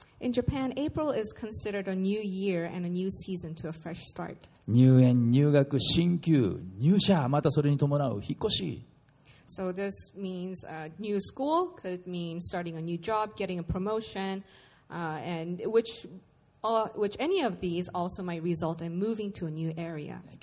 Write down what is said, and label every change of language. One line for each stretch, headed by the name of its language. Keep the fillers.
English: In Japan, April is considered a new year and a new season to a fresh start.
Japanese: 入園、入学、新旧、入社、またそれに伴う引っ越し。
English: So this means a new school, could mean starting a new job, getting a promotion,、uh, and which Uh, which any of these also might result in moving to a new area.